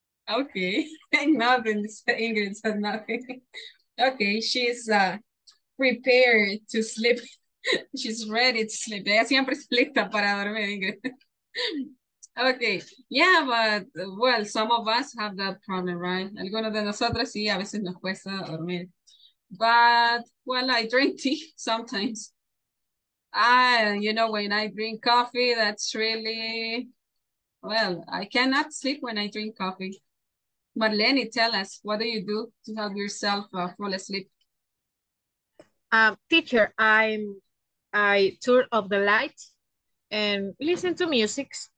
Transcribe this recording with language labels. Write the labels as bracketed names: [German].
[English] Okay, nothing. Ingrid said nothing. Okay, she's prepared to sleep. She's ready to sleep. [Spanish] Ella siempre está lista para dormir, [English] Ingrid. Okay, yeah, but, well, some of us have that problem, right? [Spanish] Algunos de nosotros, sí, a veces nos cuesta dormir. [English] But, well, I drink tea sometimes. You know, when I drink coffee, that's really, well, I cannot sleep when I drink coffee. Marlene, tell us, what do you do to help yourself fall asleep? Teacher, I turn off the light and listen to music.